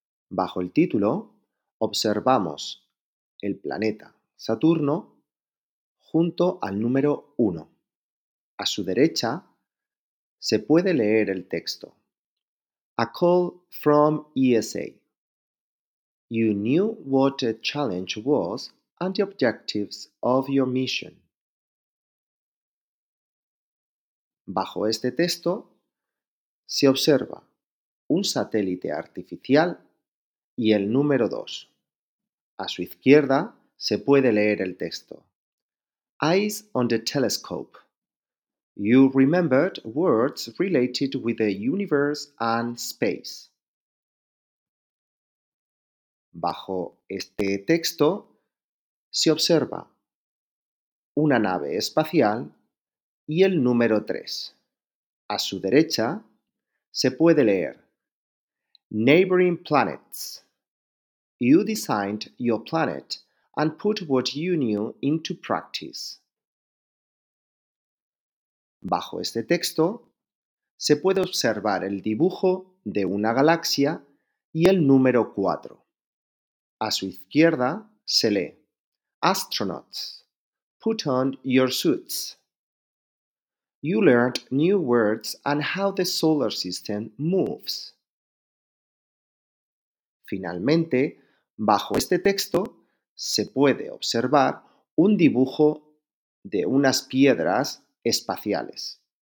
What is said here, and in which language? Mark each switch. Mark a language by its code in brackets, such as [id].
[es] Bajo el título observamos el planeta Saturno junto al número 1. A su derecha se puede leer el texto [en] A Call from ESA. You knew what the challenge was and the objectives of your mission. [es] Bajo este texto se observa un satélite artificial y el número 2. A su izquierda se puede leer el texto [en] Eyes on the telescope. You remembered words related with the universe and space. [es] Bajo este texto se observa una nave espacial y el número 3. A su derecha se puede leer [en] Neighboring planets. You designed your planet and put what you knew into practice. [es] Bajo este texto se puede observar el dibujo de una galaxia y el número 4. A su izquierda se lee [en] Astronauts, put on your suits. You learned new words and how the solar system moves. [es] Finalmente, bajo este texto se puede observar un dibujo de unas piedras espaciales.